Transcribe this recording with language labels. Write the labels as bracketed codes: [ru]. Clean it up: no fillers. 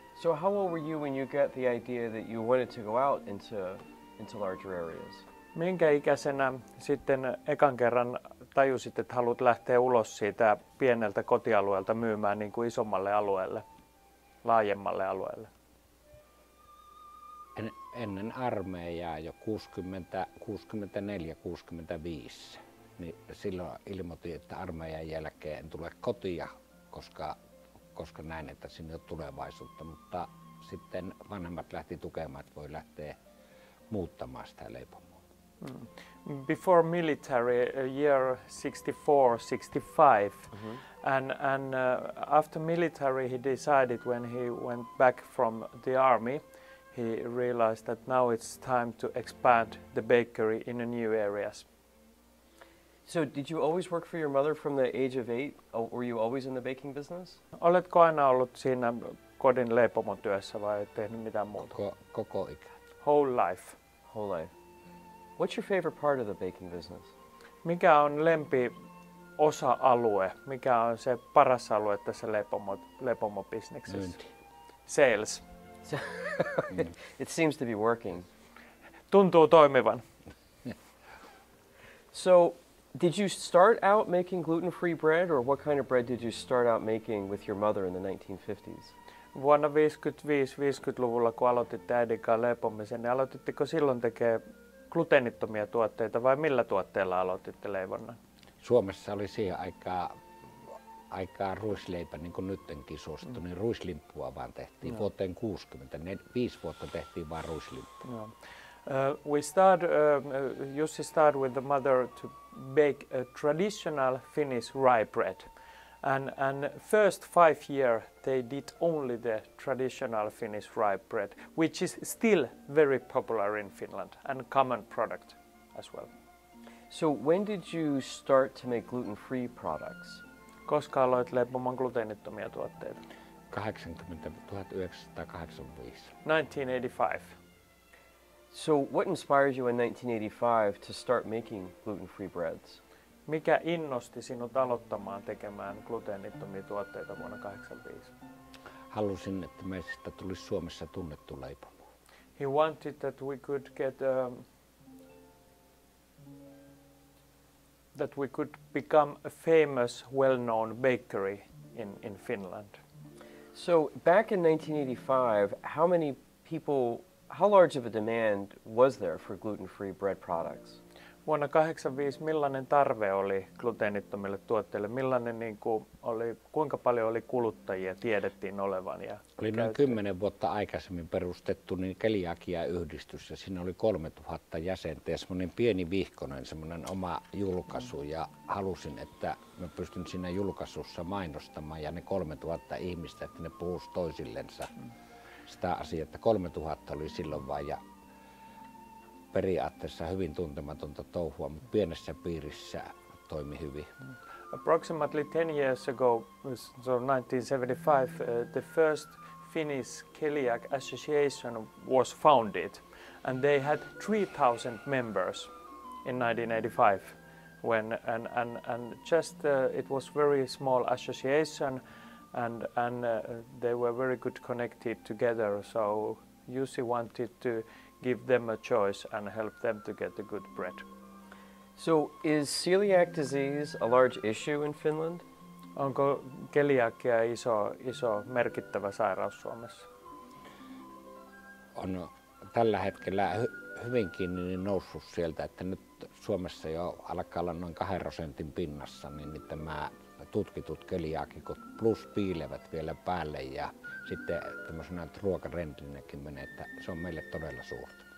[en] So how old were you when you got the idea that you wanted to go out into larger areas? [fi] Minkä ikäisenä sitten ekan kerran tajusit, että haluat lähteä ulos siitä pieneltä kotialueelta myymään niin kuin isommalle alueelle, laajemmalle alueelle? Ennen armeijaa jo 64-65, niin silloin ilmoitin, että armeijan jälkeen en tule kotia, koska näin, että sinne on tulevaisuutta, mutta sitten vanhemmat lähti tukemaan, että voi lähteä muuttamaan sitä leipomaa. [en] Before military, year 64-65, mm-hmm. and after military he decided when he went back from the army, he realized that now it's time to expand the bakery in new areas. So did you always work for your mother from the age of 8? Were you always in the baking business? [fi] Oletko aina ollut siinä kodin leipomon työssä vai tehnyt mitään muuta? Koko ikä. [en] Whole life. Whole life. What's your favorite part of the baking business? [fi] Mikä on lempi osa-alue, mikä on se paras alue tässä leipomobisneksessä? Myynti. [en] Sales. It seems to be working. [fi] Tuntuu toimivan. [en] So, did you start out making gluten-free bread, or what kind of bread did you start out making with your mother in the 1950s? [fi] Vuonna 1955-50-luvulla, kun aloititte äidin kanssa leipomisen, niin aloititteko silloin tekemään gluteenittomia tuotteita vai millä tuotteella aloititte leivonnan? Suomessa oli siihen aikaa ruisleipä, niin kuin nyttenkin suosittu, niin ruislimppua vaan tehtiin vuoteen 60. 5 vuotta tehtiin vaan ruislimppua. No. [en] Jussi start with the mother to bake a traditional Finnish rye bread. And first 5 years they did only the traditional Finnish rye bread, which is still very popular in Finland and common product as well. So when did you start to make gluten-free products? [fi] Koska aloit leipomaan gluteenittomia tuotteita? 1985. [en] So what inspired you in 1985 to start making gluten-free breads? [fi] Mikä innosti sinut aloittamaan tekemään gluteenittomia tuotteita vuonna 1985? Halusin, että meistä tulisi Suomessa tunnettu leipomo. [en] He wanted that we could get that we could become a famous, well-known bakery in Finland. So back in 1985, how many people, how large of a demand was there for gluten-free bread products? [fi] Vuonna 85 millainen tarve oli gluteenittomille tuotteille? Millainen niin kuin oli, kuinka paljon oli kuluttajia tiedettiin olevan? Ja oli noin 10 vuotta aikaisemmin perustettu niin keliakiayhdistys ja siinä oli 3000 jäsentä ja semmoinen pieni vihkonen, semmoinen oma julkaisu ja halusin, että mä pystyn siinä julkaisussa mainostamaan ja ne 3000 ihmistä, että ne puhuisi toisillensa sitä asiaa, että 3000 oli silloin vaan ja periaatteessa hyvin tuntematonta touhua, mutta pienessä piirissä toimi hyvin. [en] Approximately 10 years ago, so 1975, the first Finnish Celiac Association was founded and they had 3000 members in 1985 when and just it was very small association and they were very good connected together, so Jussi wanted to give them a choice and help them to get the good bread. So is celiac disease a large issue in Finland? [fi] Onko keliakia iso merkittävä sairaus Suomessa? On tällä hetkellä hyvinkin niin noussut sieltä, että nyt Suomessa jo alkaa olla noin 2% pinnassa, niin tämä tutkitut keliaakikot plus piilevät vielä päälle ja sitten tämmöisenä ruokarendinäkin menee, että se on meille todella suurta.